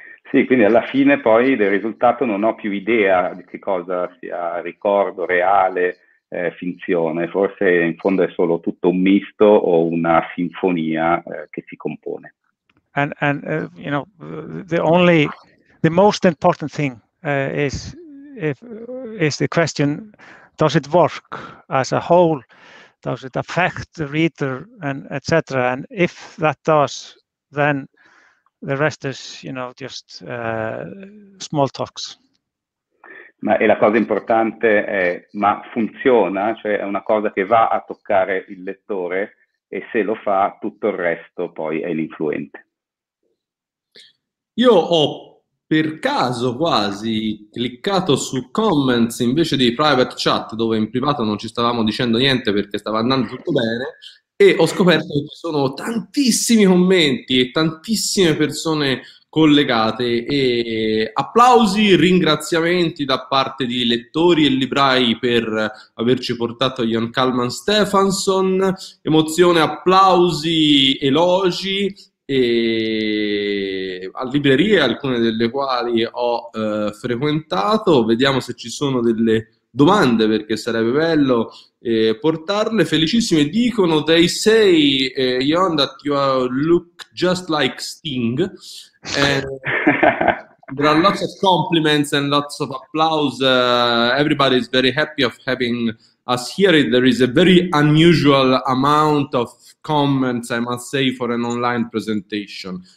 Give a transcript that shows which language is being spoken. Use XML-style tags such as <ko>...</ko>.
<it>Sì, quindi alla fine poi del risultato non ho più idea di che cosa sia ricordo reale. Finzione, forse in fondo è solo tutto un misto o una sinfonia che si compone.</it> <en>And you know, the most important thing is the question does it work as a whole? Does it affect the reader and etc.? And if that does, then the rest is, you know, just small talks.</en> <it>Ma è la cosa importante è, ma funziona? Cioè è una cosa che va a toccare il lettore e se lo fa, tutto il resto poi è l'influente. Io ho per caso quasi cliccato su comments invece di private chat, dove in privato non ci stavamo dicendo niente perché stava andando tutto bene, e ho scoperto che ci sono tantissimi commenti e tantissime persone collegate, e applausi, ringraziamenti da parte di lettori e librai per averci portato Jan Kalman Stefansson, emozione, applausi, elogi, e a librerie, alcune delle quali ho frequentato. Vediamo se ci sono delle domande, perché sarebbe bello portarle. Felicissime, dicono,</it> <en>they say, Jan, that you look just like Sting. There are lots of compliments and lots of applause. Everybody is very happy of having us here. There is a very unusual amount of comments, I must say, for an online presentation.</en>